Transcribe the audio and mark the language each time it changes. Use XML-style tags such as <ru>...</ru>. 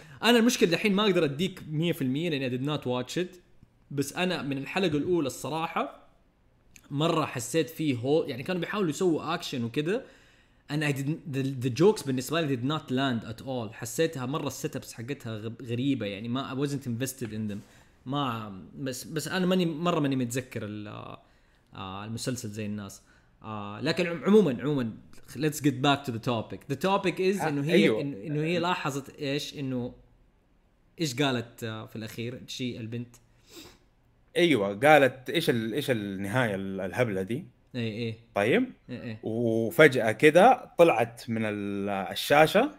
<ar>انا المشكله الحين ما اقدر اديك 100% لاني</ar> <en>did not watch it,</en> <ar>بس انا من الحلقه الاولى الصراحه مرة حسيت فيه يعني كانوا بيحاولوا يسووا اكشن وكذا،</ar> <en>and I didn't, the jokes</en> <ar>بالنسبة لي</ar> <en>did not land at all.</en> <ar>حسيتها مرة السيت ابس حقتها غريبة يعني، ما</ar> <en>I wasn't invested in them.</en> <ar>ما بس انا ماني متذكر المسلسل زي الناس. لكن عموما</ar> <en>let's get back to the topic. The topic is</en> <ar>انه هي لاحظت ايش، انه ايش قالت في الاخير شيء البنت، ايوه قالت ايش ايش النهايه الهبله دي. ايه طيب ايه وفجاه كده طلعت من الشاشه</ar>